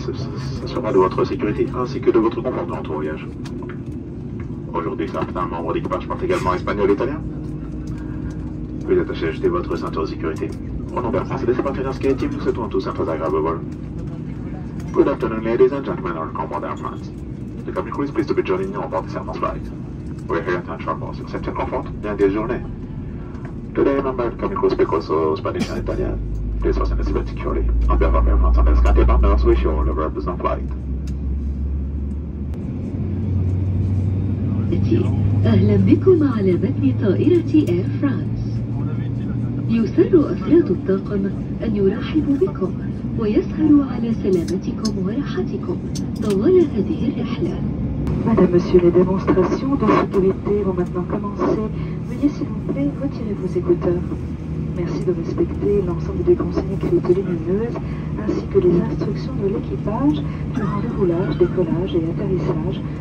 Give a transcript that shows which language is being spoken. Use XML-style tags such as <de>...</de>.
<fr>Ça s'assurera de votre sécurité ainsi que de votre confort durant tout voyage. Aujourd'hui, certains membres d'équipage partent également espagnol et italien. Vous êtes attaché à ajouter votre ceinture de sécurité. Au nom d'Air France et de ses partenaires SkyTeam, nous souhaitons tous un très agréable vol.</fr> <en>Good afternoon, ladies and gentlemen, welcome aboard Air France. The cabin crew is pleased to be joining you on board this Air France flight. We're here to ensure more success and comfort during this journey. Today, remember, the cabin crew speak also Spanish and Italian. Please fasten your seatbelt securely. On behalf of Air France and SkyTeam partners, we wish you all a very pleasant flight.</en> <ar>أهلا بكم على متن طائرة Air France. يسر أفراد الطاقم أن يرحبوا بكم ويسهر على سلامتكم وراحتكم طوال هذه الرحلة.</ar> <fr>Madame, Monsieur, les démonstrations de sécurité vont maintenant commencer. Veuillez s'il vous plaît retirer vos écouteurs. Merci de respecter l'ensemble des consignes écrites lumineuses ainsi que les instructions de l'équipage durant le roulage, décollage et atterrissage.</fr>